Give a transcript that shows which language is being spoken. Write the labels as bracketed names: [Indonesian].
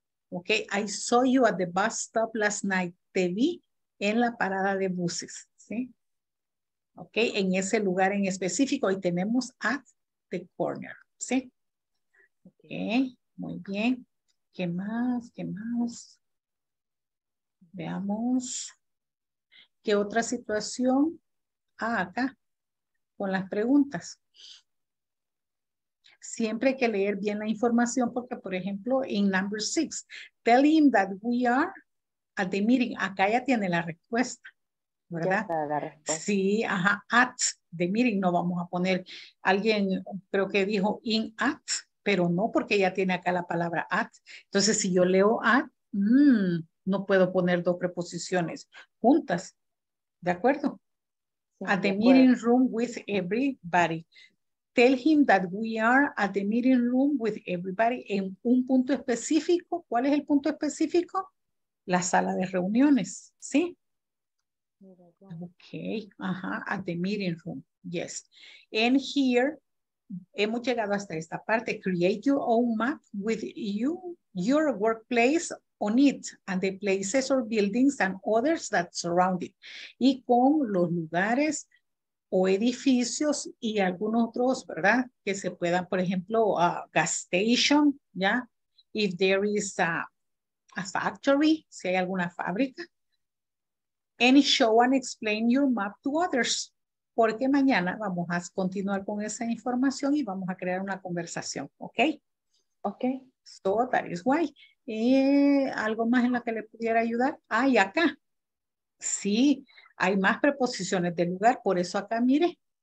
[English] Okay, I saw you at the bus stop last night. [Spanish] Te vi en la parada de buses, ¿sí? Okay, en ese lugar en específico y tenemos [English] at the corner, [Spanish] ¿sí? Okay, muy bien. ¿Qué más? ¿Qué más? Veamos. ¿Qué otra situación? Ah, acá, con las preguntas. Siempre hay que leer bien la información porque, por ejemplo, en [English] number six, tell him that we are at the meeting. [Spanish] Acá ya tiene la respuesta, ¿verdad? Ya está la respuesta. Sí, ajá, [English] at the meeting. [Spanish] No vamos a poner, alguien creo que dijo in at, pero no, porque ya tiene acá la palabra at. Entonces, si yo leo at, no puedo poner dos preposiciones juntas. ¿De acuerdo? Sí, [English] at the meeting room with everybody. Tell him that we are at the meeting room with everybody. [Spanish] En un punto específico. ¿Cuál es el punto específico? La sala de reuniones. ¿Sí? Ok. Ajá. [English] At the meeting room. Yes. And here, [Spanish] hemos llegado hasta esta parte. [English] Create your own map with you, your workplace on it and the places or buildings and others that surround it. [Spanish] Y con los lugares o edificios y algunos otros, ¿verdad? Que se puedan, por ejemplo, gas station, ¿ya? [English] If there is a factory, [Spanish] si hay alguna fábrica. [English] And show and explain your map to others. [Spanish] Porque mañana vamos a continuar con esa información y vamos a crear una conversación, ¿ok? [English] Ok. So that is why. [Spanish] ¿Algo más en lo que le pudiera ayudar? Ah, y acá. Sí. Hay más preposiciones de lugar, por eso acá mire.